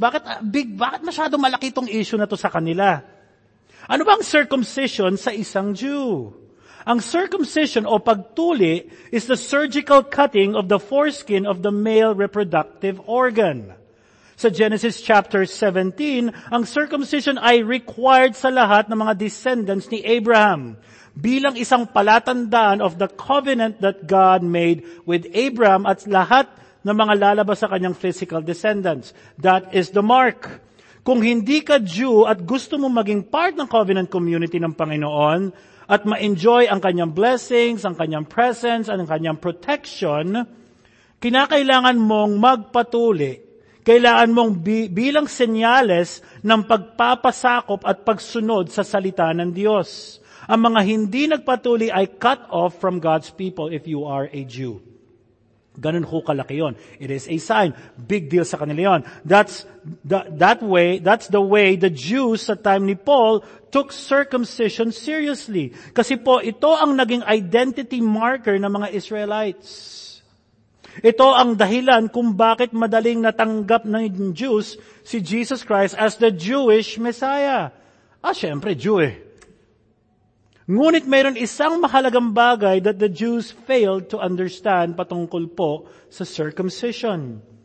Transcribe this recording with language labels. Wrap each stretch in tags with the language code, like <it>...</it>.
<tl>Bakit masyado malaki itong issue na to sa kanila? Ano bang circumcision sa isang Jew? Ang circumcision o pagtuli</tl> <en>is the surgical cutting of the foreskin of the male reproductive organ.</en> <tl>Sa Genesis chapter 17, ang circumcision ay required sa lahat ng mga descendants ni Abraham bilang isang palatandaan</tl> <en>of the covenant that God made with Abraham</en> <tl>at lahat ng mga lalabas sa kanyang physical descendants.</tl> <en>That is the mark.</en> <tl>Kung hindi ka Jew at gusto mo maging part ng covenant community ng Panginoon at ma-enjoy ang kanyang blessings, ang kanyang presence, ang kanyang protection, kinakailangan mong magpatuli. Kailangan mong bilang senyales ng pagpapasakop at pagsunod sa salita ng Diyos. Ang mga hindi nagpatuli ay</tl> <en>cut off from God's people if you are a Jew.</en> <tl>Ganun ho kalaki yon.</tl> <en>It is a sign.</en> <tl>Big deal sa kanila yon.</tl> <en>That's the way the Jews</en> <tl>sa time ni</tl> <en>Paul took circumcision seriously.</en> <tl>Kasi po, ito ang naging identity marker ng mga Israelites. Ito ang dahilan kung bakit madaling natanggap ng Jews si Jesus Christ as the Jewish Messiah. Ah, syempre, Jew eh. Ngunit mayroon isang mahalagang bagay</tl> <en>that the Jews failed to understand</en> <tl>patungkol po sa circumcision.</tl>